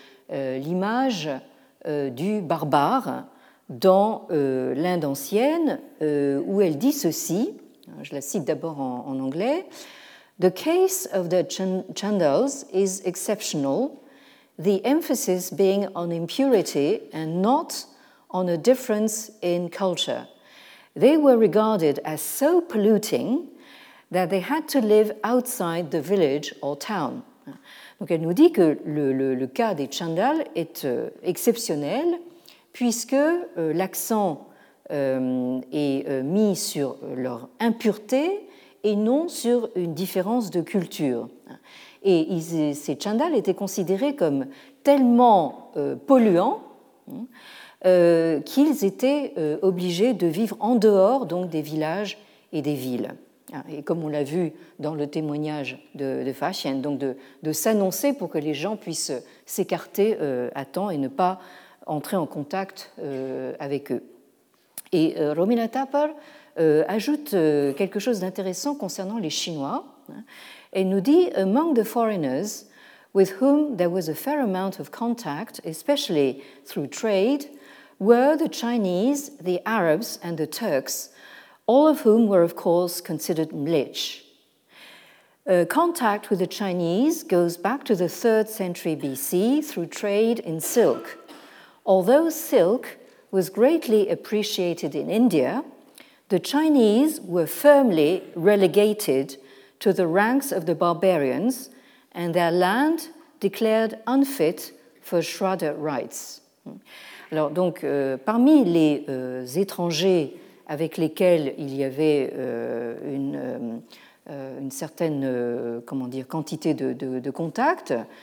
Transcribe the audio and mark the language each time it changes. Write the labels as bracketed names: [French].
[French] l'image du barbare dans l'Inde ancienne, où elle dit ceci, je la cite d'abord en anglais, [English] The case of the Chandals is exceptional, the emphasis being on impurity and not on a difference in culture. They were regarded as so polluting that they had to live outside the village or town. [French] Donc elle nous dit que le cas des Chandals est exceptionnel puisque l'accent est mis sur leur impureté et non sur une différence de culture. Et ces chandals étaient considérés comme tellement polluants qu'ils étaient obligés de vivre en dehors donc, des villages et des villes. Et comme on l'a vu dans le témoignage de Fashien, donc de s'annoncer pour que les gens puissent s'écarter à temps et ne pas entrer en contact avec eux. Et Romila Thapar ajoute quelque chose d'intéressant concernant les Chinois. Elle nous dit « [English] Among the foreigners with whom there was a fair amount of contact, especially through trade, were the Chinese, the Arabs and the Turks, all of whom were of course considered mlich. Contact with the Chinese goes back to the 3rd century BC through trade in silk. Although silk was greatly appreciated in India, the Chinese were firmly relegated to the ranks of the barbarians and their land declared unfit for Shraddha rites. » [French] Alors, donc, parmi les étrangers avec lesquels il y avait une certaine quantité de contacts,